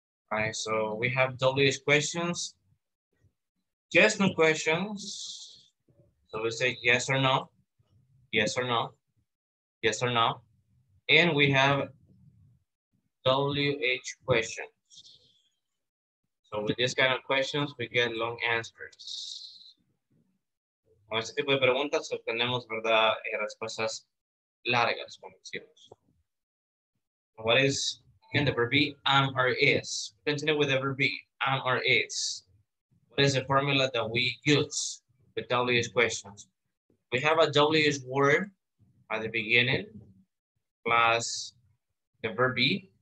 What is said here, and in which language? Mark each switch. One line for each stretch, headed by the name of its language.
English: All right, so we have WH questions. Yes, no questions. So we say yes or no, yes or no, yes or no. And we have WH questions. So with this kind of questions, we get long answers.
Spanish: Con este tipo de preguntas obtenemos, verdad, respuestas largas, como decimos.
English: What is, can the verb be am or is? Continue with the verb be am or is. What is the formula that we use? The WH questions. We have a WH word at the beginning, plus the verb be.